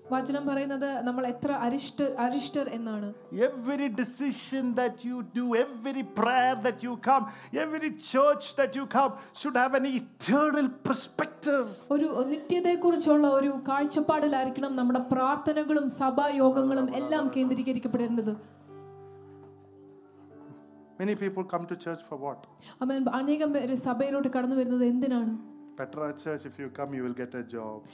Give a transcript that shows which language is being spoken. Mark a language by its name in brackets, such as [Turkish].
[Malayalam] വചനം പറയുന്നത് നമ്മൾ എത്ര അരിഷ്ടർ എന്നാണ് [English] Every decision that you do, every prayer that you come, every church that you come should have an eternal perspective. [Malayalam] ഒരു നിത്യതയെക്കുറിച്ചുള്ള ഒരു കാഴ്ചപ്പാടിലായിരിക്കണം നമ്മുടെ പ്രാർത്ഥനകളും സഭായോഗങ്ങളും എല്ലാം കേന്ദ്രീകരിക്കപ്പെടേണ്ടത് [English] Many people come to church for what? Amen. [Malayalam] അനേകം പേര് സഭയിലോട്ട് കടന്നു വരുന്നത് എന്തിനാണ് [English] Petra church if you come you will get a job